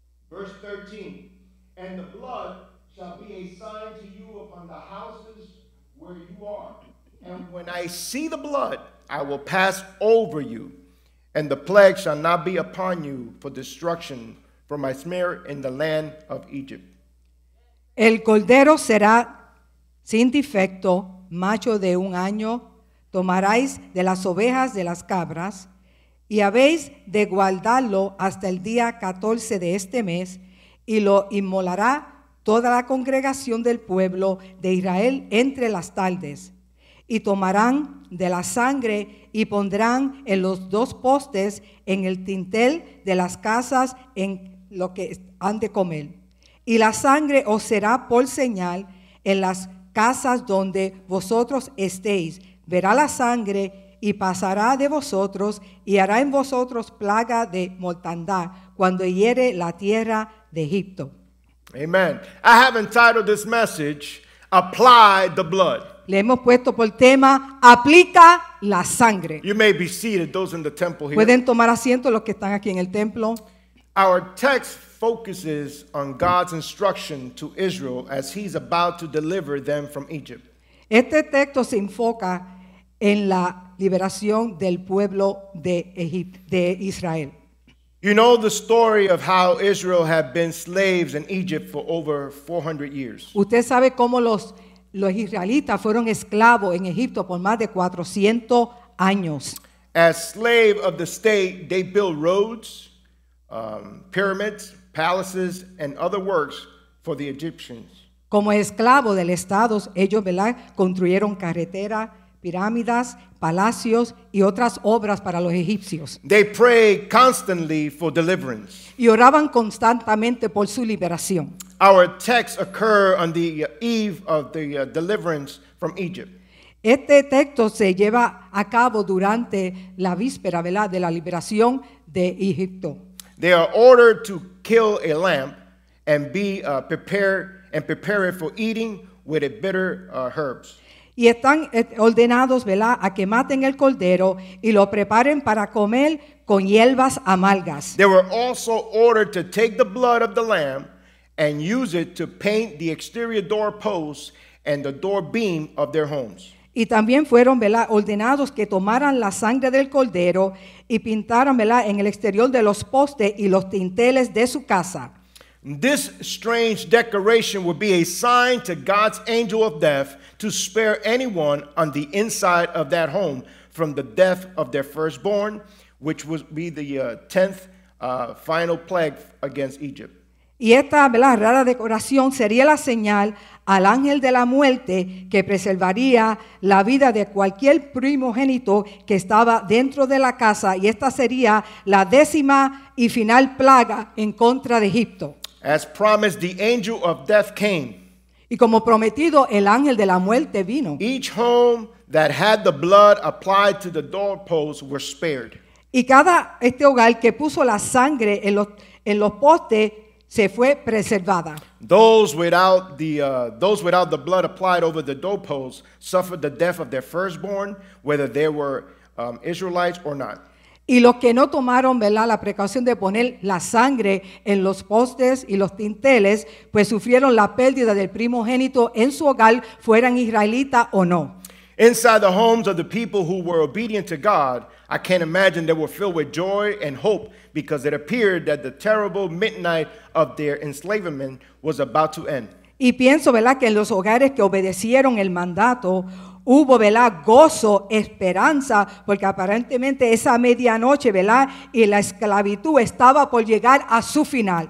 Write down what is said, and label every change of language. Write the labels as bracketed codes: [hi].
[en] Verse 13, and the blood shall be a sign to you upon the houses where you are. And when I see the blood, I will pass over you, and the plague shall not be upon you for destruction, for my smear in the land of Egypt. [es] El cordero será sin defecto, macho de un año. Tomaréis de las ovejas de las cabras y habéis de guardarlo hasta el día 14 de este mes y lo inmolará toda la congregación del pueblo de Israel entre las tardes. Y tomarán de la sangre y pondrán en los dos postes en el tintel de las casas en lo que han de comer. Y la sangre os será por señal en las casas donde vosotros estéis. Verá la sangre y pasará de vosotros y hará en vosotros plaga de mortandad cuando hiere la tierra de Egipto. Amen. [en] I have entitled this message, Apply the Blood. [es] Le hemos puesto por tema, aplica la sangre. [en] You may be seated, those in the temple here. [es] Pueden tomar asiento los que están aquí en el templo. [en] Our text focuses on God's instruction to Israel as he's about to deliver them from Egypt. [es] Este texto se enfoca en la liberación del pueblo de Israel. [en] You know the story of how Israel had been slaves in Egypt for over 400 years. [es] Usted sabe cómo los israelitas fueron esclavos en Egipto por más de 400 años. [en] As slaves of the state, they built roads, pyramids, palaces, and other works for the Egyptians. [es] Como esclavos del Estado, ellos, ¿verdad?, construyeron carreteras, pirámides, palacios y otras obras para los egipcios. [en] They prayed constantly for deliverance. [es] Y oraban constantemente por su liberación. [en] Our text occurs on the eve of the deliverance from Egypt. [es] Este texto se lleva a cabo durante la víspera, ¿verdad?, de la liberación de Egipto. [en] They are ordered to kill a lamb and be prepared and prepare it for eating with a bitter herbs. [es] Y están ordenados, ¿verdad?, a que maten el cordero y lo preparen para comer con hierbas amargas. [en] They were also ordered to take the blood of the lamb and use it to paint the exterior door posts and the door beam of their homes. [es] Y también fueron, ¿verdad?, ordenados que tomaran la sangre del cordero y pintaran, ¿verdad?, en el exterior de los postes y los tinteles de su casa. [en] This strange decoration would be a sign to God's angel of death to spare anyone on the inside of that home from the death of their firstborn, which would be the 10th final plague against Egypt. [es] Y esta, ¿verdad?, rara decoración sería la señal al ángel de la muerte que preservaría la vida de cualquier primogénito que estaba dentro de la casa, y esta sería la décima y final plaga en contra de Egipto. [en] As promised, the angel of death came. [es] Y como prometido, el ángel de la muerte vino. [en] Each home that had the blood applied to the doorposts were spared. [es] Y cada este hogar que puso la sangre en los postes se fue preservada. [en] Those without the blood applied over the doorposts suffered the death of their firstborn, whether they were Israelites or not. [es] Y los que no tomaron, ¿verdad?, la precaución de poner la sangre en los postes y los tinteles, pues sufrieron la pérdida del primogénito en su hogar, fueran israelita o no. [en] Inside the homes of the people who were obedient to God, I can't imagine they were filled with joy and hope, because it appeared that the terrible midnight of their enslavement was about to end. [es] Y pienso, ¿verdad?, que en los hogares que obedecieron el mandato, hubo, ¿verdad?, gozo, esperanza, porque aparentemente esa medianoche, ¿verdad?, y la esclavitud estaba por llegar a su final.